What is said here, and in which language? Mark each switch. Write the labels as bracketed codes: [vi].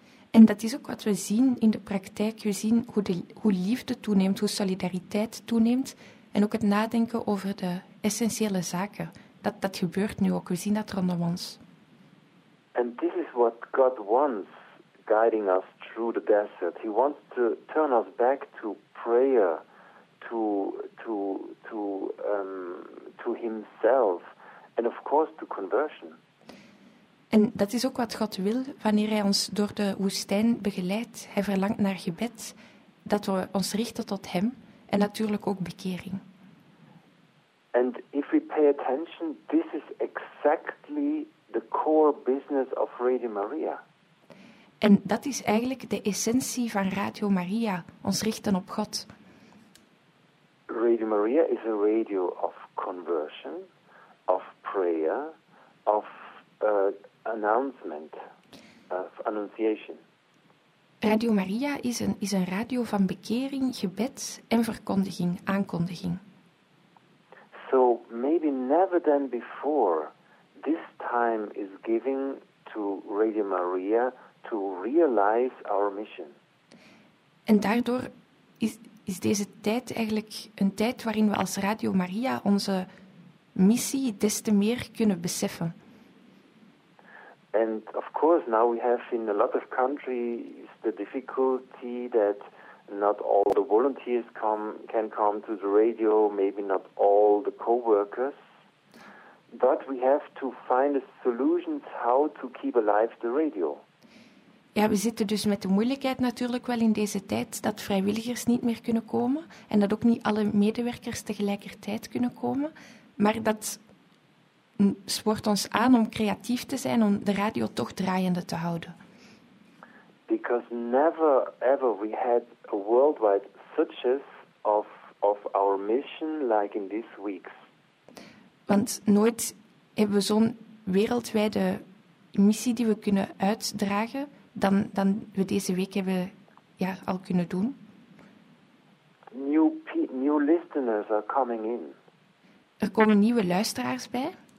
[nl] En dat is ook wat we zien in de praktijk. We zien hoe liefde toeneemt, hoe solidariteit toeneemt en ook het nadenken over de essentiële zaken. Dat gebeurt nu ook. We zien dat rondom ons. [en] And this is what God wants, guiding us through the desert. He wants to turn us back to prayer, to himself, and of course to conversion. [nl] En dat is ook wat God wil wanneer hij ons door de woestijn begeleidt. Hij verlangt naar gebed, dat we ons richten tot hem, en natuurlijk ook bekering. [en] And if we pay attention, this is exactly the core business of Radio Maria. [nl] En dat is eigenlijk de essentie van Radio Maria, ons richten op God. [en] Radio Maria is a radio of conversion, of prayer, of announcement, of annunciation. [nl] Radio Maria is een radio van bekering, gebed en verkondiging, aankondiging. [en] So maybe never than before, this time is giving to Radio Maria to realize our mission. [nl] En daardoor is deze tijd eigenlijk een tijd waarin we als Radio Maria onze missie des te meer kunnen beseffen. [en] And of course, now we have in a lot of countries the difficulty that not all the volunteers can come to the radio, maybe not all the co-workers. But we have to find a solution how to keep alive the radio. [nl] Ja, we zitten dus met de moeilijkheid natuurlijk wel in deze tijd dat vrijwilligers niet meer kunnen komen en dat ook niet alle medewerkers tegelijkertijd kunnen komen. Maar dat spoort ons aan om creatief te zijn, om de radio toch draaiende te houden. [en] Because never ever we had a worldwide success of our mission like in these weeks. [nl] Want nooit hebben we zo'n wereldwijde missie die we kunnen uitdragen dan we deze week hebben ja, al kunnen doen. [en] New listeners are coming in. [nl] Er komen nieuwe luisteraars bij.